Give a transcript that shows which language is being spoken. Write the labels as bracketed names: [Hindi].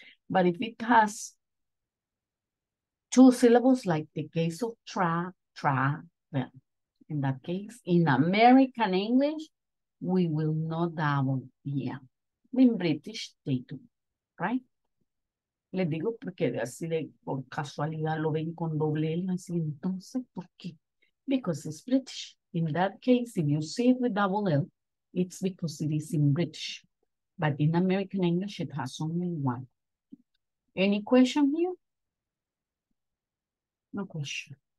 [English] But if it has two syllables, like the case of travel, in that case, in American English, we will not double the L. In British, they do, right? [Spanish] Le digo porque así de por casualidad lo ven con doble L, así entonces, ¿por qué? [English] Because it's British. In that case, if you see it with double L, it's because it is in British, but in American English, it has only one. Any question here? No question.